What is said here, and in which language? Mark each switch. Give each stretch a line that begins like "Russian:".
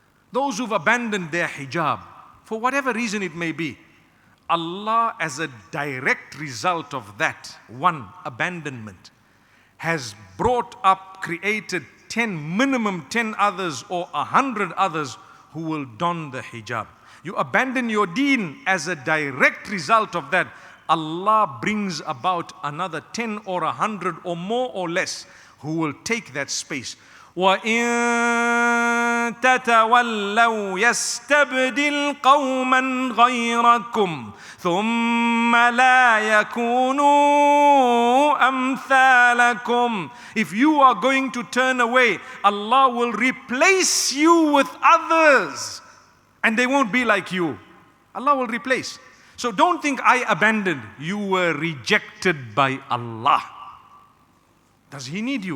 English: Those who've abandoned their hijab, for whatever reason it may be, Allah, as a direct result of that one abandonment, has brought up, created 10, minimum 10 others or 100 others who will don the hijab. You abandon your deen as a direct result of that, Allah brings about another 10 or 100 or more or less who will take that space.
Arabic: وَإِن تتولوا يستبدل قوما غيركم ثم لا يكونوا أمثالكم.
English: If you are going to turn away, Allah will replace you with others and they won't be like you. Allah will replace. So don't think I abandoned. You were rejected by Allah. Does he need you?